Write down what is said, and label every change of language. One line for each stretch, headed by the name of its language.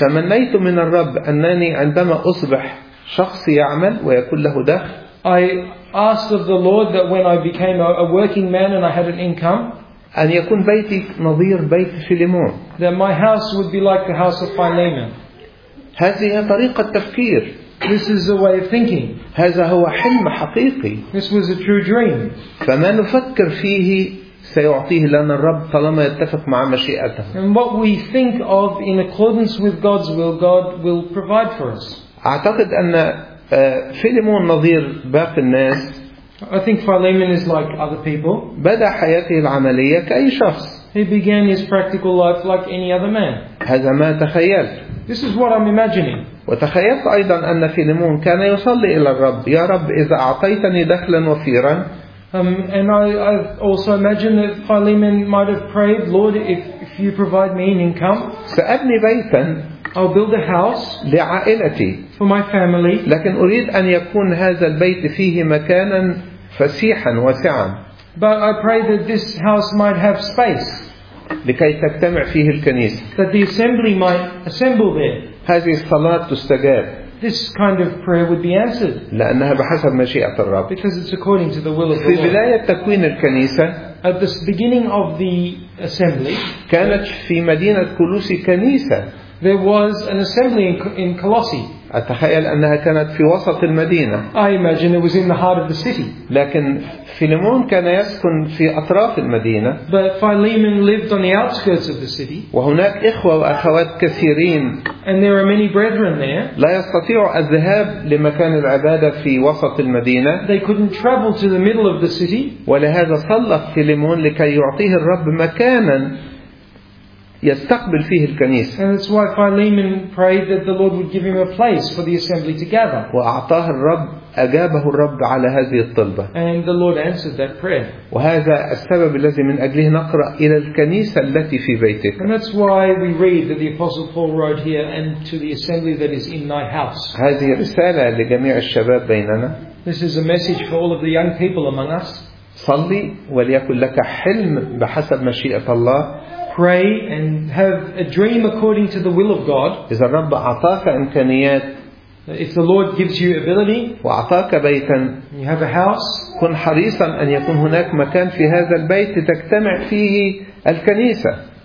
Arabic: تمنيت من الرب أنني عندما أصبح شخص يعمل ويكون له دخل.
English: I asked of the Lord that when I became a working man and I had an income.
Arabic: أن يكون بيتي نظير بيت فيليمون.
English: That my house would be like the house of Philemon.
Arabic: هذه هي طريقة تفكير.
English: This is a way of thinking.
Arabic: هذا هو حلم حقيقي.
English: This was a true dream.
Arabic: فما نفكر فيه سيعطيه لنا الرب طالما يتفق مع مشيئته.
English: And what we think of in accordance with God's will, God will provide for us.
Arabic: أعتقد أن فيليمون نظير باقي الناس.
English: I think Philemon is like other people.
Arabic: بدأ حياته العملية كأي شخص.
English: He began his practical life like any other man.
Arabic: هذا ما تخيلت.
English: This is what I'm imagining.
Arabic: وتخيلت أيضا أن فيليمون كان يصلي إلى الرب. يا رب إذا أعطيتني دخلا وفيرا.
English: And I also imagine that Philemon might have prayed, Lord, if you provide me an income.
Arabic: سأبني بيتا.
English: I'll build a house
Arabic: لعائلتي.
English: For my family.
Arabic: لكن أريد أن يكون هذا البيت فيه مكانا فسيحا واسعا.
English: But I pray that this house might have space.
Arabic: لكي تجتمع فيه الكنيسة.
English: That the assembly might assemble there.
Arabic: هذه الصلاة تستجاب.
English: this kind of prayer would be answered.
Arabic: لأنها بحسب مشيئة الرب.
English: Because it's according to the will of
Arabic: في
English: the Lord.
Arabic: بداية تكوين الكنيسة.
English: At the beginning of the assembly.
Arabic: كانت في مدينة كولوسي كنيسة.
English: There was an assembly in Colossae.
Arabic: أتخيل أنها كانت في وسط المدينة.
English: I imagine it was in the heart of the city.
Arabic: لكن فيليمون كان يسكن في أطراف المدينة.
English: But Philemon lived on the outskirts of the city.
Arabic: وهناك إخوة وأخوات كثيرين.
English: And there are many brethren there.
Arabic: لا يستطيع الذهاب لمكان العبادة في وسط المدينة.
English: They couldn't travel to the middle of the city.
Arabic: ولهذا صلى فيليمون لكي يعطيه الرب مكانا يستقبل فيه الكنيسة.
English: And that's why Philemon prayed that the Lord would give him a place for the assembly to gather.
Arabic: وأعطاه الرب أجابه الرب على هذه الطلبة.
English: And the Lord answered that prayer.
Arabic: وهذا السبب الذي من أجله نقرأ إلى الكنيسة التي في بيتك.
English: And that's why we read that the Apostle Paul wrote here and to the assembly that is in thy house.
Arabic: هذه رسالة لجميع الشباب بيننا.
English: This is a message for all of the young people among us.
Arabic: صلي وليكن لك حلم بحسب مشيئة الله.
English: Pray and have a dream according to the will of God.
Arabic: إذا الرب أعطاك إمكانيات,
English: if the Lord gives you ability,
Arabic: وأعطاك بيتا,
English: you have a house,
Arabic: كن حريصا أن يكون هناك مكان في هذا البيت تجتمع فيه الكنيسة.